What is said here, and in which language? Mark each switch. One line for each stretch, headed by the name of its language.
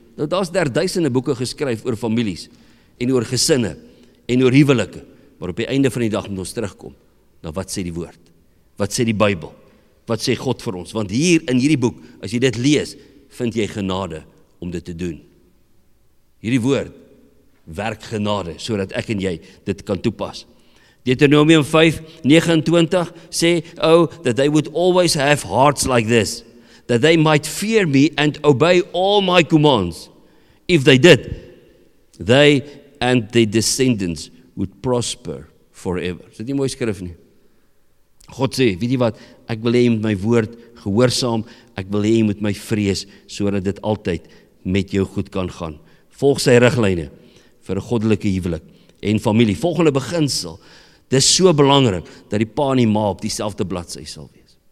Afrikaans: Nou, daar's daar duisende boeke geskryf oor families en oor gesinne en oor huwelike, maar op die einde van die dag moet ons terugkom na wat sê die woord, wat sê die Bybel, wat sê God vir ons, want hier in hierdie boek, as jy dit lees, vind jy genade om dit te doen. Hierdie woord werk genade, sodat ek en jy dit kan toepas. Deuteronomium 5:29 sê,
English: "Oh, that they would always have hearts like this, that they might fear me and obey all my commands. If they did, they and their descendants would prosper forever."
Afrikaans: Is dit nie mooi skrif nie? God sê, weet jy wat, ek wil hê jy moet my woord gehoorsaam, ek wil hê jy moet my vrees, sodat dit altyd met jou goed kan gaan. Volg sy riglyne vir 'n goddelike huwelik en familie. Volgende beginsel, dis so belangrik, dat die pa en die ma op dieselfde bladsy sal wees.